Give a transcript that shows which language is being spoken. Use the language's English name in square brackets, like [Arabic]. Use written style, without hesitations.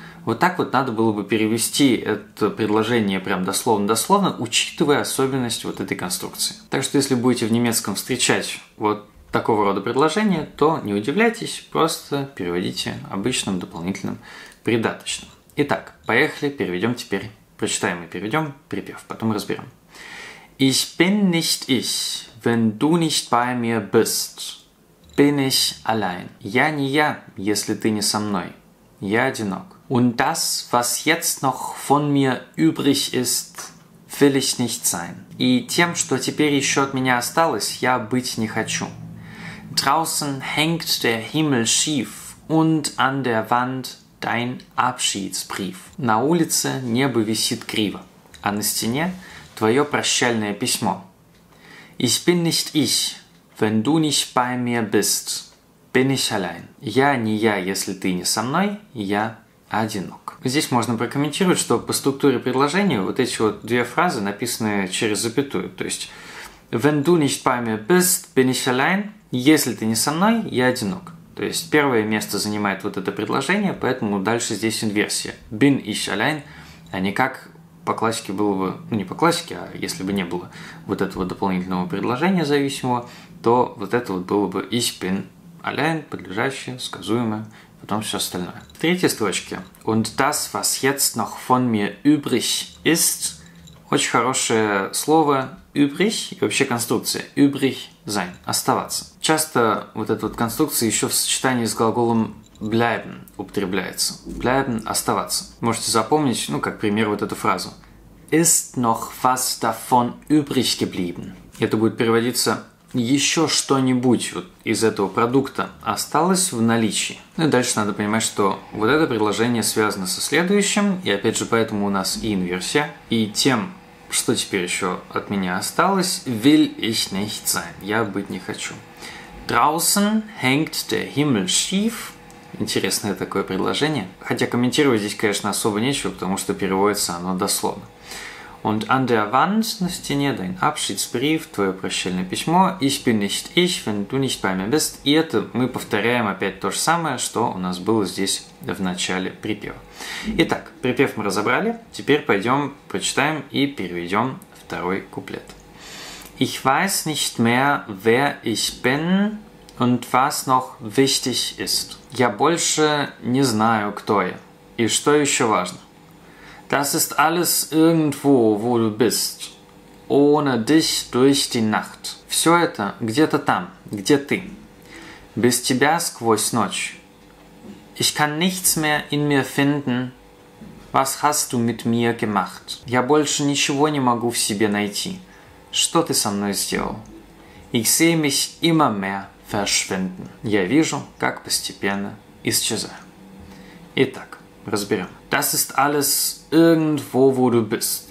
[Russian] Вот так вот надо было бы перевести это предложение прям дословно-дословно, учитывая особенность вот этой конструкции. Так что если будете в немецком встречать вот такого рода предложение, то не удивляйтесь, просто переводите обычным дополнительным придаточным. Итак, поехали, переведем теперь, прочитаем и переведем припев, потом разберем. [German] «Ich bin nicht ich, wenn du nicht bei mir bist». Bin ich allein. [Russian] Я не я, если ты не со мной. Я одинок. [German] Und das, was jetzt noch von mir übrig ist, will ich nicht sein. [Russian] И тем, что теперь еще от меня осталось, я быть не хочу. [German] Draußen hängt der Himmel schief und an der Wand dein Abschiedsbrief. [Russian] На улице небо висит криво, а на стене твое прощальное письмо. [German] Ich bin nicht ich, wenn du nicht bei mir bist. Bin ich allein. [Russian] Я не я, если ты не со мной, я одинок. Здесь можно прокомментировать, что по структуре предложения вот эти вот две фразы написаны через запятую. То есть, [German] wenn du nicht bei mir bist, bin ich allein. [Russian] Если ты не со мной, я одинок. То есть, первое место занимает вот это предложение, поэтому дальше здесь инверсия. [German] Bin ich allein, [Russian] а не как по классике было бы, ну не по классике, а если бы не было вот этого дополнительного предложения зависимого, то вот это вот было бы [German] ich bin allein, [Russian] подлежащее, сказуемое, потом все остальное. В третьей строчке. [German] Und das, was jetzt noch von mir übrig ist. [Russian] Очень хорошее слово übrig и вообще конструкция. [German] Übrig sein. [Russian] Оставаться. Часто вот эта вот конструкция еще в сочетании с глаголом bleiben употребляется. Bleiben – оставаться. Можете запомнить, ну, как пример, вот эту фразу. [German] Ist noch was davon übrig geblieben. [Russian] Это будет переводиться еще что-нибудь вот из этого продукта осталось в наличии. Ну и дальше надо понимать, что вот это предложение связано со следующим, и опять же поэтому у нас и инверсия, и тем, что теперь еще от меня осталось, [German] will ich nicht sein, [Russian] я быть не хочу. [German] Draußen hängt der Himmel schief. [Russian] Интересное такое предложение. Хотя комментировать здесь, конечно, особо нечего, потому что переводится оно дословно. [German] Und an der Wand, [Russian] на стене, [German] dein Abschiedsbrief, [Russian] твое прощальное письмо, [German] ich bin nicht ich, wenn du nicht bei mir bist. [Russian] И это мы повторяем опять то же самое, что у нас было здесь в начале припева. Итак, припев мы разобрали, теперь пойдем, прочитаем и переведем второй куплет. [German] Ich weiß nicht mehr, wer ich bin und was noch wichtig ist. [Russian] Я больше не знаю, кто я и что еще важно. [German] Das ist alles irgendwo, wo du bist. Ohne dich durch die Nacht. [Russian] Все это где-то там, где ты. Без тебя сквозь ночь. [German] Ich kann nichts mehr in mir finden. Was hast du mit mir gemacht? [Russian] Я больше ничего не могу в себе найти. Что ты со мной сделал? [German] Ich sehe mich immer mehr verschwinden. [Russian] Я вижу, как постепенно исчезаю. Итак. Разберем. [German] Das ist alles irgendwo, wo du bist.